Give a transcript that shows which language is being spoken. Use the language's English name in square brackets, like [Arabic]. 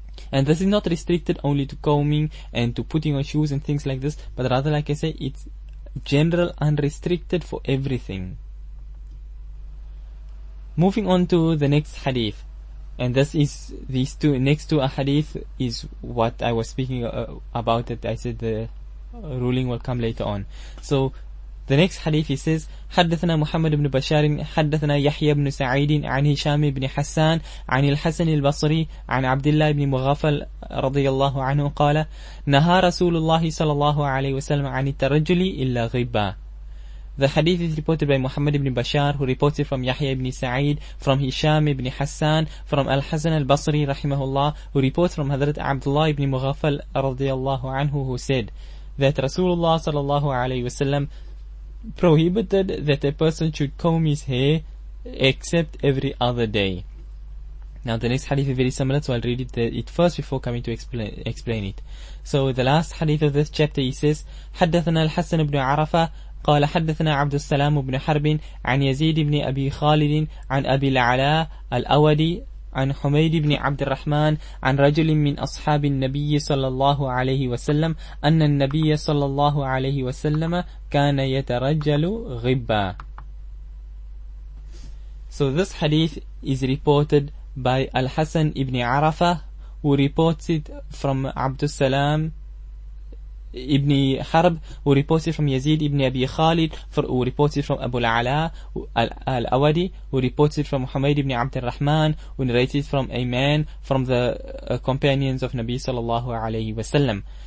[English] And this is not restricted only to combing and to putting on shoes and things like this, but rather, like I say, it's general, unrestricted for everything. Moving on to the next hadith. And this is, these two, next two hadith is what I was speaking about, that I said the ruling will come later on. So, the next hadith, he says, [Arabic] حدثنا محمد بن بشار حدثنا يحيى بن سعيد عن هشام بن حسان عن الحسن البصري عن عبد الله بن مغفل رضي الله عنه قال نهى رسول الله صلى الله عليه وسلم عن الترجل إلا غبا. [English] The hadith is reported by Muhammad ibn Bashar, who reported from Yahya ibn Sa'id, from Hisham ibn Hassan, from Al-Hazan al-Basri, rahimahullah, who reported from Hadrat Abdullah ibn Mughafal, radiyallahu anhu, who said that Rasulullah sallallahu alayhi wasallam prohibited that a person should comb his hair except every other day. Now the next hadith is very similar, so I'll read it first before coming to explain it. So the last hadith of this chapter, he says, [Arabic] حدثنا الحسن بن عرفة قال حدثنا عبد السلام بن حرب عن يزيد بن أبي خالد عن أبي العلاء الأودي عن حميد بن عبد الرحمن عن رجل من أصحاب النبي صلى الله عليه وسلم أن النبي صلى الله عليه وسلم كان يترجل غبا. [English] So this hadith is reported by Al-Hasan ibn Arafa, who reports it from Abdus Salam ibn Harb, who reports it from Yazid ibn Abi Khalid, who reports it from Abu Al-Ala Al-Awadi, who reports it from Muhammad ibn Abd al-Rahman, who narrates it from a man from the companions of Nabi sallallahu alayhi wa sallam.